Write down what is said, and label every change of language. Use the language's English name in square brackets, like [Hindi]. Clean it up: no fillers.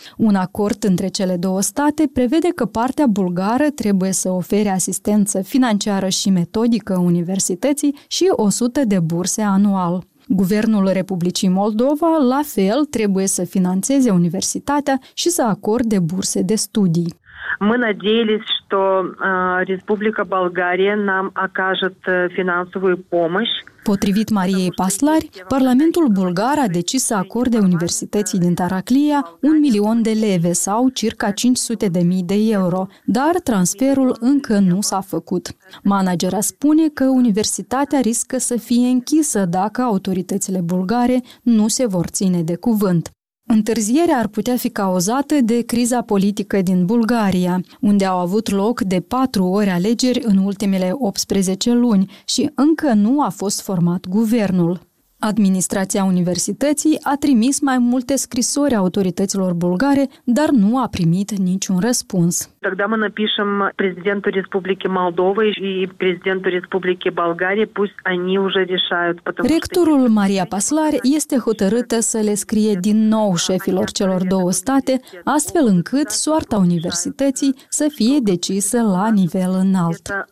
[Romanian] Un acord între cele două state prevede că partea bulgară trebuie să ofere asistență financiară și metodică universității și 100 de burse anual. Guvernul Republicii Moldova, la fel, trebuie să financeze universitatea și să acorde burse de studii. [Russian] Мы надеялись, что Республика Болгария нам окажет финансовую помощь. [Romanian] Potrivit Mariei Paslari, Parlamentul Bulgar a decis să acorde Universității din Taraclia 1 milion de leve sau circa 500 de mii de euro, dar transferul încă nu s-a făcut. Managera spune că universitatea riscă să fie închisă dacă autoritățile bulgare nu se vor ține de cuvânt. Întârzierea ar putea fi cauzată de criza politică din Bulgaria, unde au avut loc de 4 ori alegeri în ultimele 18 luni și încă nu a fost format guvernul. Administrația universității a trimis mai multe scrisori autorităților bulgare, dar nu a primit niciun răspuns. [Russian] Тогда мы напишем президенту Республики Молдова и президенту Республики Болгарии, пусть они уже решают. [Romanian] Ректорul Maria Paslar este hotărâtă să le scrie din nou șefilor celor două state, astfel încât soarta universității să fie decisă la nivel înalt.